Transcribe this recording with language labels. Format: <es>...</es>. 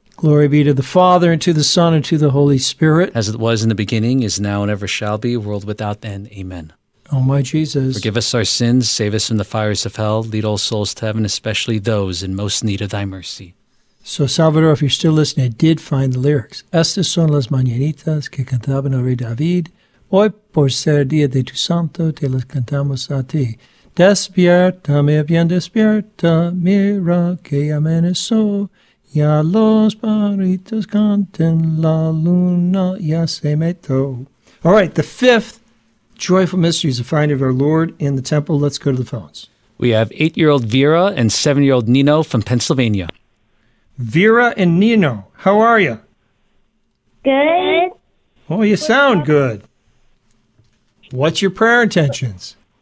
<en>Glory be to the Father, and to the Son, and to the Holy Spirit. As it was in the beginning, is now, and ever shall be, world without end. Amen. O my Jesus, forgive us our sins, save us from the fires of hell, lead all souls to heaven, especially those in most need of thy mercy. So, Salvador, if you're still listening, I did find the lyrics.</en> <es>Estas son las mañanitas que cantaban al rey David. Hoy, por ser día de tu santo, te las cantamos a ti. Despierta, me bien despierta, mira que amaneció. Ya los pajaritos canten, la luna ya se metió.</es> <en>All right, the fifth joyful mystery is the finding of our Lord in the temple. Let's go to the phones. We have 8-year-old Vera and 7-year-old Nino from Pennsylvania. Vera and Nino, how are you? Good. Oh, you sound good. What's your prayer intentions?</en>